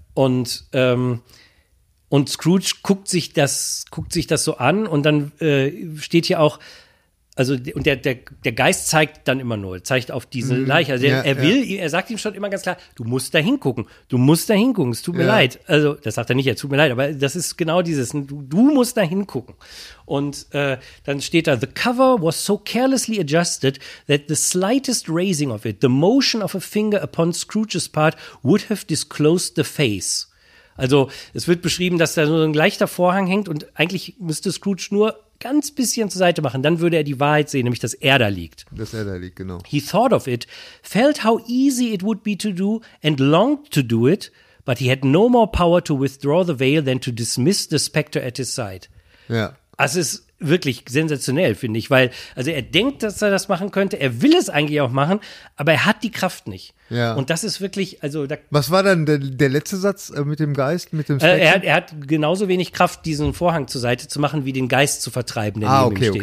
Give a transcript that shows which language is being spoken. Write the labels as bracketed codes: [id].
[de] Und und Scrooge guckt sich das so an und dann steht hier auch, also und der Geist zeigt dann immer nur, zeigt auf diese Leiche. Also er sagt ihm schon immer ganz klar, du musst da hingucken, es tut mir leid. Also das sagt er nicht, tut mir leid, aber das ist genau dieses, du musst da hingucken. Und dann steht da, [en] the cover was so carelessly adjusted that the slightest raising of it, the motion of a finger upon Scrooge's part would have disclosed the face. [de] Also es wird beschrieben, dass da so ein leichter Vorhang hängt und eigentlich müsste Scrooge nur ganz bisschen zur Seite machen, dann würde er die Wahrheit sehen, nämlich dass er da liegt. Dass er da liegt, genau. [en] He thought of it, felt how easy it would be to do and longed to do it, but he had no more power to withdraw the veil than to dismiss the specter at his side. [de] Ja. Das ist wirklich sensationell, finde ich, weil also er denkt, dass er das machen könnte, er will es eigentlich auch machen, aber er hat die Kraft nicht. Ja. Und das ist wirklich, also da. Was war dann der letzte Satz mit dem Geist, mit dem Spectre? Er hat genauso wenig Kraft, diesen Vorhang zur Seite zu machen, wie den Geist zu vertreiben, der neben ihm steht.